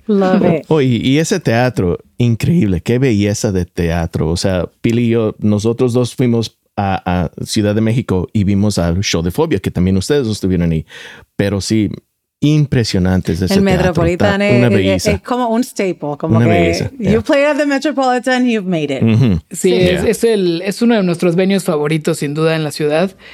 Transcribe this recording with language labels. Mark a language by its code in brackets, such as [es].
[en] Love it. [es] Oh, y ese teatro, increíble, qué belleza de teatro, o sea, Pili y yo, nosotros dos fuimos a Ciudad de México y vimos al show de Fobia, que también ustedes estuvieron ahí, pero sí, impresionantes de ese el Metropolitan teatro. Una belleza. Es como un staple, como una que belleza. [en] You play at the Metropolitan, you've made it. Mm-hmm. [es] Sí, yeah. es uno de nuestros venues favoritos sin duda en la ciudad.